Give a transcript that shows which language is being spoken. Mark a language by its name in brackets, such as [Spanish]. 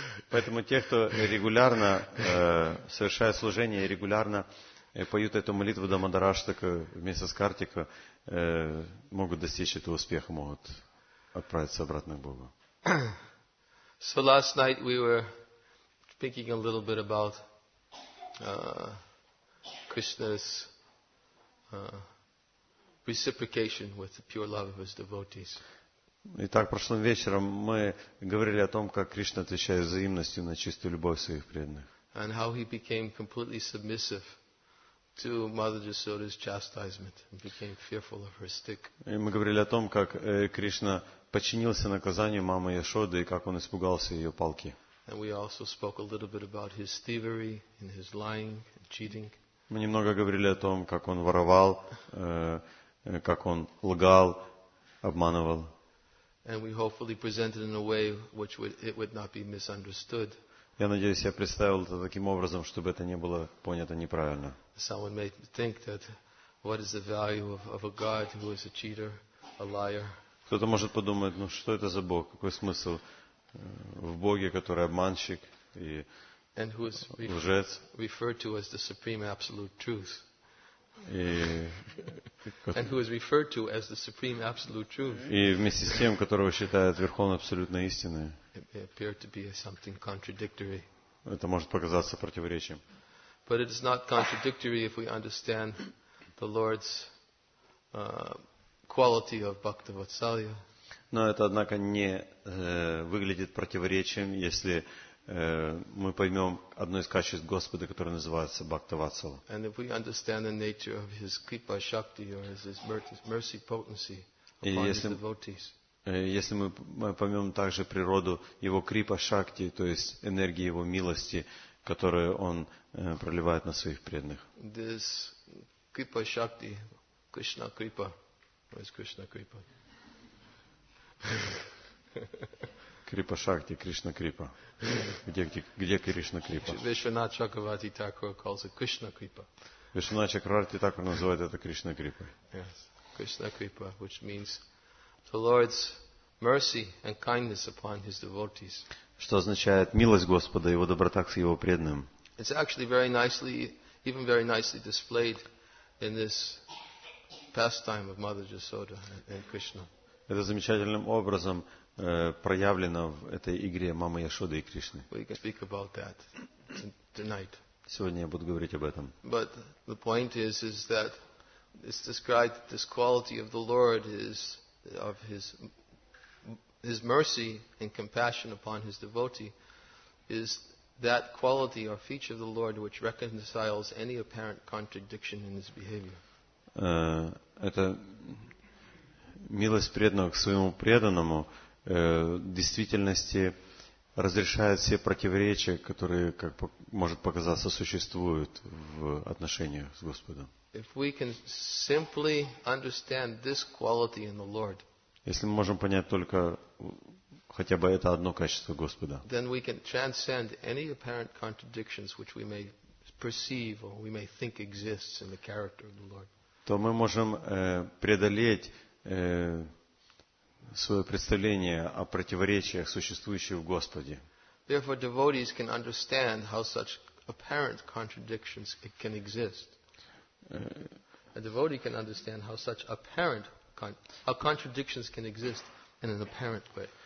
[Russian] Поэтому те, кто регулярно совершает служение и регулярно поют эту молитву Дамодараштака вместе с Картика, могут достичь этого успеха, могут отправиться обратно к Богу. [English] So last night we were thinking a little bit about Krishna's reciprocation with the pure love of his devotees. [Russian] Итак, прошлым вечером мы говорили о том, как Кришна отвечает взаимностью на чистую любовь своих преданных. [English] And how he became completely submissive to Mother Yasoda's chastisement and became fearful of her stick. [Russian] И мы говорили о том, как Кришна подчинился наказанию мамы Яшоды и как он испугался ее палки. [English] And we also spoke a little bit about his thievery and his lying and cheating. [Russian] Мы немного говорили о том, как он воровал, как он лгал, обманывал. [English] And we hopefully presented in a way which would, it would not be misunderstood. [Russian] Я надеюсь, я представил это таким образом, чтобы это не было понято неправильно. [English] Someone may think that what is the value of a god who is a cheater, a liar? [Russian] Кто-то может подумать, ну что это за бог, какой смысл в боге, который обманщик и [English] And who is referred to as the supreme absolute truth? And who is referred to as the supreme absolute truth? [Russian] И вместе с тем, которого считают верховной абсолютной истиной. [English] It may appear to be something contradictory. [Russian] Это может показаться противоречием. [English] But it is not contradictory if we understand the Lord's quality of bhakti-vatsalya. [Russian] Но это, однако, не выглядит противоречием, если мы поймем одно из качеств Господа, которое называется бхакти-ватсала. [English] And if we understand the nature of his kripa shakti or his mercy potency upon his devotees. [Russian] Если мы поймем также природу его крипа шакти, то есть энергии его милости, которую он проливает на своих преданных. [English] This kripa shakti, Krishna kripa. Where is Krishna kripa? [Russian] Крипа шакти, Кришна крипа. Где Кришна крипа? Вишванат Чакравати Такур calls it Krishna kripa. Вишванат Чакравати Такур называет это Кришна крипа. [English] Yes, Krishna kripa, which means the Lord's mercy and kindness upon his devotees. [Russian] Что означает милость Господа и его доброта к его преданным. [English] It's actually very nicely, even very nicely displayed in this pastime of Mother Yasoda and Krishna. [Russian] Это замечательным образом проявлено в этой игре мамы Яшоды и Кришны. [English] We can speak about that tonight. [Russian] Сегодня я буду говорить об этом. [English] But the point is that it's described that this quality of the Lord is of his mercy and compassion upon his devotee is that quality or feature of the Lord which reconciles any apparent contradiction in his behavior. [Russian] Это милость преданного к своему преданному в действительности разрешает все противоречия, которые, как может показаться, существуют в отношениях с Господом. [English] If we can simply understand this quality in the Lord, [Russian] если мы можем понять только хотя бы это одно качество Господа, [English] then we can transcend any apparent contradictions which we may perceive or we may think exists in the character of the Lord. [Russian] То мы можем преодолеть свое представление о противоречиях, существующих в Господе. [English] Therefore, devotees can understand how such apparent contradictions can exist. A devotee can understand how such apparent how contradictions can exist in an apparent way.